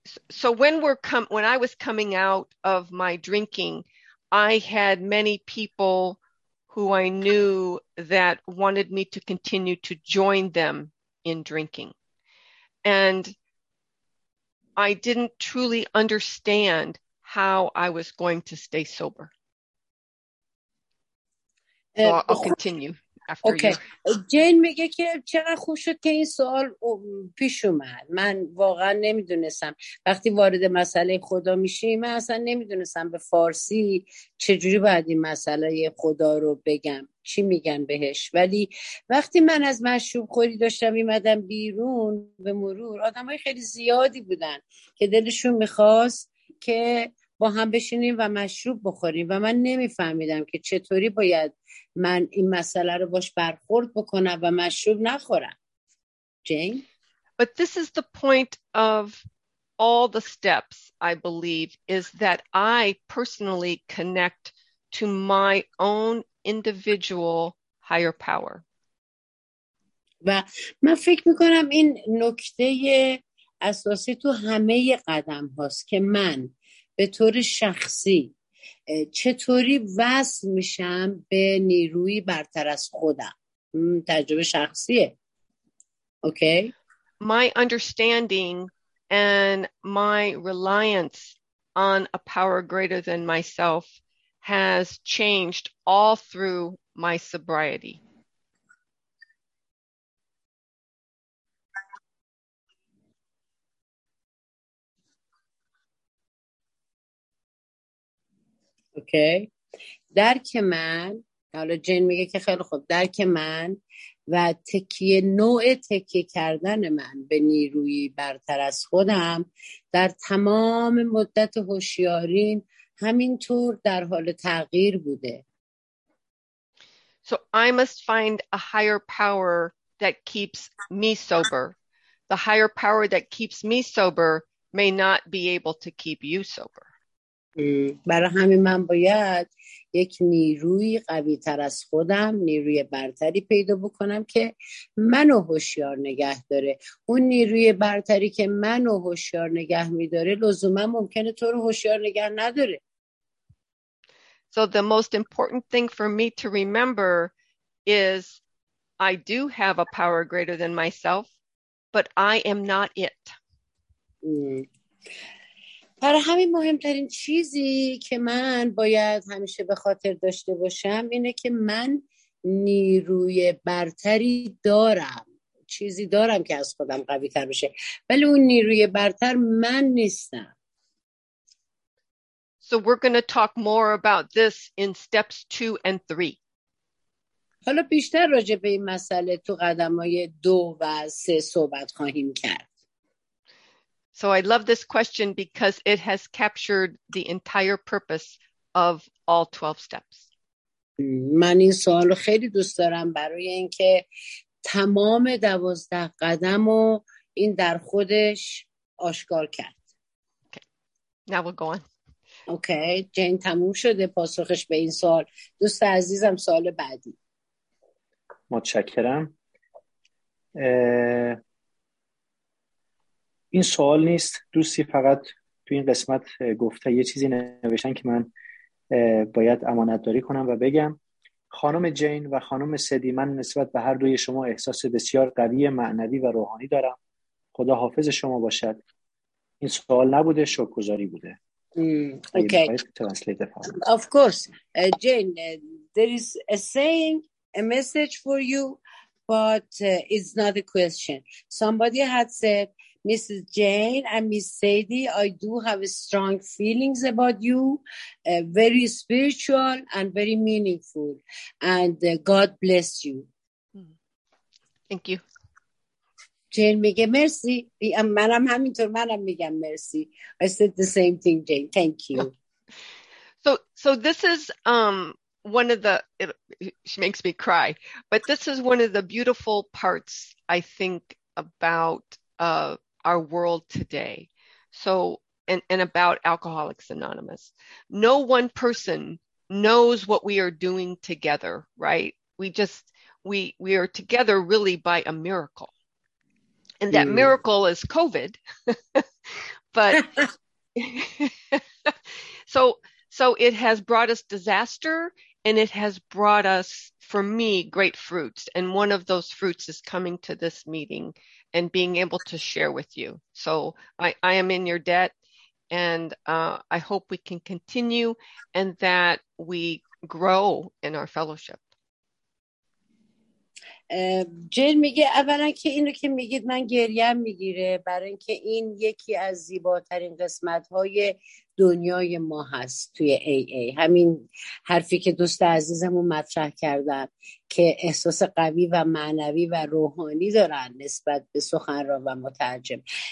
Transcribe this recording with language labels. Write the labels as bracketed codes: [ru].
[en] So when I was coming out of my drinking, I had many people who I knew that wanted me to continue to join them in drinking. And I didn't truly understand how I was going to stay sober. So I'll continue after okay. you. [fa] جین میگه که چقدر خوب شد که این سوال پیش اومد. من واقعا نمیدونستم. وقتی وارد مسئله خدا میشیم من اصلا نمیدونستم به فارسی چجوری باید این مسئله خدا رو بگم. چی میگن بهش. ولی وقتی من از مشروب خوری داشتم میمدم بیرون به مرور آدم های خیلی زیادی بودن که دلشون میخواست که با هم بشینیم و مشروب بخوریم و من نمیفهمیدم که چطوری باید من این مسئله رو باش برخورد بکنم و مشروب نخورم. جین؟ [en] But this is the point of all the steps, I believe, is that I personally connect to my own individual higher power. [fa] و من فکر میکنم این نکته اساسی تو همه قدم هاست که من به طور شخصی چطوری وصل میشم به نیروی برتر از خودم. تجربه شخصیه. Okay. [en] My understanding and my reliance on a power greater than myself has changed all through my sobriety. [fa] اوکی درک من حالا جین میگه که خیلی خوب درک من و تکیه نوع تکیه کردن من به نیروی برتر از خودم در تمام مدت هوشیاریم همینطور در حال تغییر بوده. [en] So I must find a higher power that keeps me sober. The higher power that keeps me sober may not be able to keep you sober. [fa] برای همین من باید یک نیروی قوی تر از خودم نیروی برتری پیدا بکنم که منو هوشیار نگه داره. اون نیروی برتری که منو هوشیار نگه میداره لزوما ممکنه تو رو هوشیار نگه نداره. [en] So the most important thing for me to remember is I do have a power greater than myself, but I am not it. [fa] برای همین مهمترین چیزی که من باید همیشه به خاطر داشته باشم اینه که من نیروی برتری دارم. چیزی دارم که از خودم قوی تر بشه. ولی اون نیروی برتر من نیستم. [en] So we're going to talk more about this in steps 2 and 3. [fa] حالا بیشتر راجع به این مسئله تو قدم‌های 2 و 3 صحبت خواهیم کرد. [en] So I love this question because it has captured the entire purpose of all 12 steps. [fa] من این سوال رو خیلی دوست دارم برای اینکه تمام 12 قدم رو این در خودش آشکار کرد. [en] Okay. Now we'll go on. [fa] Okay, جین تموم شده پاسخش به این سوال. دوست عزیزم سوال بعدی. متشکرم. این سوال نیست. دوستی فقط تو این قسمت گفته یه چیزی نوشتن که من باید امانتداری کنم و بگم. خانم جین و خانم سدی، من نسبت به هر دوی شما احساس بسیار قوی معنوی و روحانی دارم. خدا حافظ شما باشد. این سوال نبوده، شکرگزاری بوده. [en] Okay. Of course. Jane, there is a saying, a message for you, but it's not a question. Somebody had said, Mrs. Jane and Miss Sadie, I do have strong feelings about you, very spiritual and very meaningful. And God bless you. Thank you. [fa] Jane میگه مرسی. منم همینطور منم میگم مرسی. [en] I said the same thing, Jane. Thank you. So this is one of the, she makes me cry, but this is one of the beautiful parts, I think, about our world today. So, and about Alcoholics Anonymous. No one person knows what we are doing together, right? We are together really by a miracle. And that miracle is COVID. But so it has brought us disaster, and it has brought us, for me, great fruits. And one of those fruits is coming to this meeting and being able to share with you. So I am in your debt, and I hope we can continue and that we grow in our fellowship. [fa] جن میگه اولا که اینو که میگید من گریم میگیره برای اینکه این یکی از زیباترین قسمت های دنیای ما هست توی AA. همین حرفی که دوست عزیزمون مطرح کردن که احساس قوی و معنوی و روحانی دارن نسبت به سخنران و مترجم.